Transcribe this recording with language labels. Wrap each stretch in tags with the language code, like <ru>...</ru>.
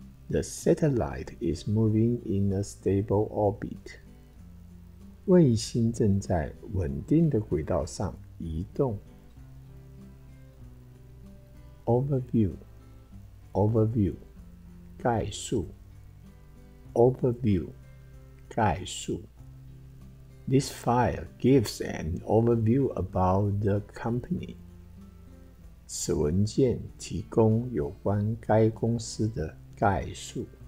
<en>The satellite is moving in a stable orbit.</en> <zh>卫星正在稳定的轨道上移动。 Overview, 概述。Overview, 概述。</zh> <en>This file gives an overview about the company.</en> <zh>此文件提供有关该公司的概述。</zh>